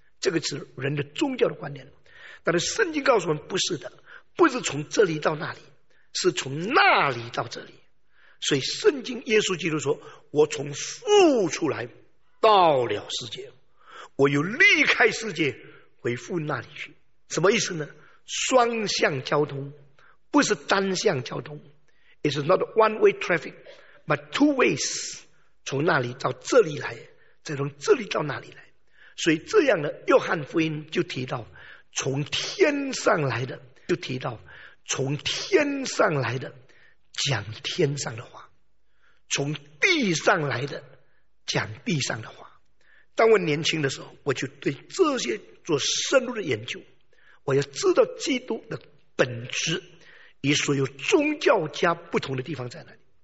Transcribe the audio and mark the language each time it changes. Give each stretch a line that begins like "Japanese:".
Chinese: 这个是人的宗教的观念。但是圣经告诉我们，不是的，不是从这里到那里，是从那里到这里。所以圣经耶稣基督说，我从父出来到了世界，我又离开世界回父那里去。什么意思呢？双向交通，不是单向交通。
English: It's not one way traffic but two ways，
Chinese: 从那里到这里来，再从这里到那里来。所以这样的约翰福音就提到从天上来的，就提到从天上来的讲天上的话，从地上来的讲地上的话。当我年轻的时候，我就对这些做深入的研究，我要知道基督的本质与所有宗教家不同的地方在哪里。